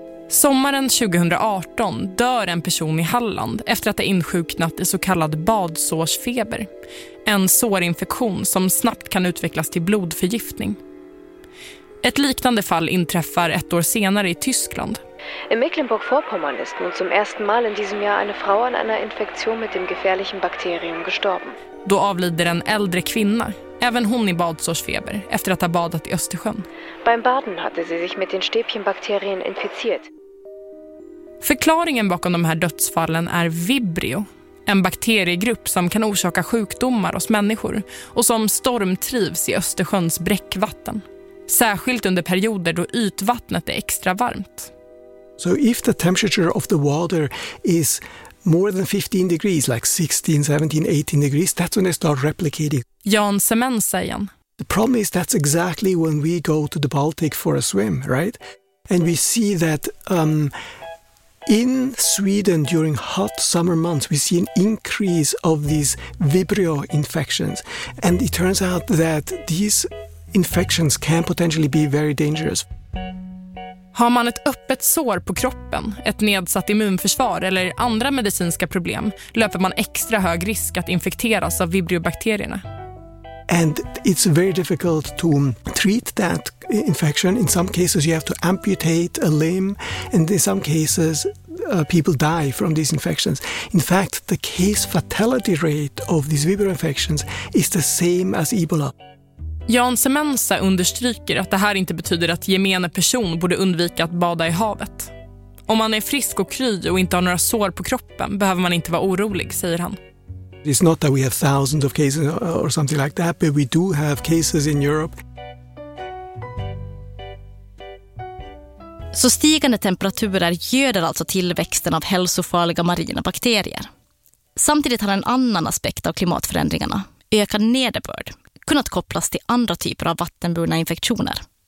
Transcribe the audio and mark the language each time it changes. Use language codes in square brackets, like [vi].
[sv] Sommaren 2018 dör en person i Halland efter att ha insjuknat i så kallad badsårsfeber. En sårinfektion som snabbt kan utvecklas till blodförgiftning. Ett liknande fall inträffar ett år senare i Tyskland. [de] In Mecklenburg-Vorpommern ist nun zum ersten Mal in diesem Jahr eine Frau an einer Infektion mit dem gefährlichen Bakterium gestorben. [sv] Då avlider en äldre kvinna, även hon i badsårsfeber, efter att ha badat i Östersjön. [de] Beim Baden hatte sie sich mit den Stäbchenbakterien infiziert. [sv] Förklaringen bakom de här dödsfallen är Vibrio, en bakteriegrupp som kan orsaka sjukdomar hos människor och som stormtrivs i Östersjöns bräckvatten. Särskilt under perioder då ytvattnet är extra varmt. [en] So if the temperature of the water is more than 15 degrees, like 16, 17, 18 degrees, that's when they start replicating. [sv] Jan Semensa igen. [en] The problem is that's exactly when we go to the Baltic for a swim, right? And we see that in Sweden during hot summer months we see an increase of these Vibrio infections. And it turns out that these infections can potentially be very dangerous. [sv] Har man ett öppet sår på kroppen, ett nedsatt immunförsvar eller andra medicinska problem, löper man extra hög risk att infekteras av Vibrio-bakterierna. [en] And it's very difficult to treat that infection. In some cases you have to amputate a limb, and in some cases people die from these infections. In fact, the case fatality rate of these Vibrio infections is the same as Ebola. [sv] Jan Semensa understryker att det här inte betyder att gemene person borde undvika att bada i havet. Om man är frisk och kry och inte har några sår på kroppen behöver man inte vara orolig, säger han. [en] It's not that we have thousands of cases or something like that, but we do have cases in Europe. [sv] Så stigande temperaturer göder alltså tillväxten av hälsofarliga marina bakterier. Samtidigt har en annan aspekt av klimatförändringarna, ökad nederbörd, kunnat kopplas till andra typer av vattenburna infektioner.